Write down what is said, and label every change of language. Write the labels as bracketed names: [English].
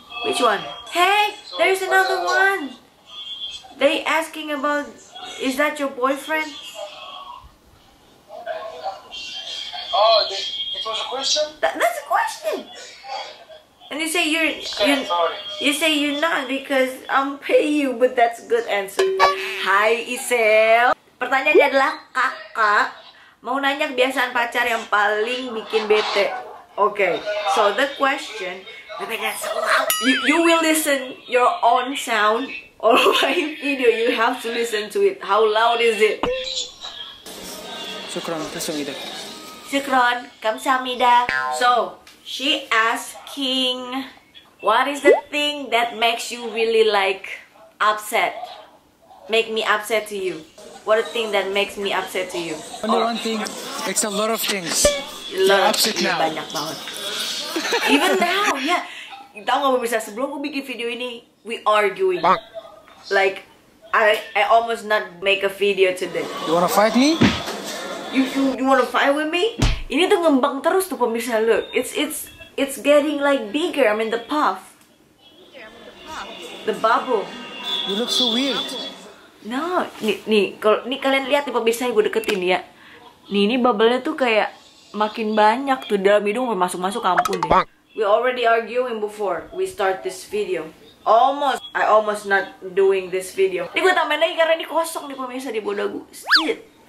[English] Which one? Hey, so there's another one. They asking about, is that your boyfriend? Oh, it was a question? That's a question. And you say you're not because I'm pay you, but that's a good answer. Hi, Isel. [Indonesian] Pertanyaannya adalah kakak mau nanya kebiasaan pacar yang paling bikin bete. [English] Okay, so the question, you will listen your own sound or my video, you have to listen to it. How loud is it? [Arabic] Syukran, [Korean] kamsahamida. [Arabic] Syukran, [Korean] kamsahamida. [English] So, she asking, what is the thing that makes you really like upset? Make me upset to you. What the thing that makes me upset to you? Only one thing, it's a lot of things. Love, upset now. [Indonesian] Banyak banget. [English] Even now, yeah. [Indonesian] Tahu nggak pemirsa, sebelum gue bikin video ini, [English] we arguing. [Indonesian] Bang. [English] Like, I almost not make a video today. You wanna fight me? You wanna fight with me? [Indonesian] Ini tuh ngembang terus tuh pemirsa. [English] Look, it's getting like bigger. I mean the puff. The bubble. You look so weird. [Indonesian] No, nih kalian lihat nih pemirsa yang gue deketin ya. Nih ini bubble-nya tuh kayak makin banyak tuh dalam hidung masuk-masuk ampun deh. [English] We already arguing before we start this video. I almost not doing this video. [Indonesian] Ini gue tambahin lagi karena ini kosong nih pemirsa di bodagu. [English] Shit.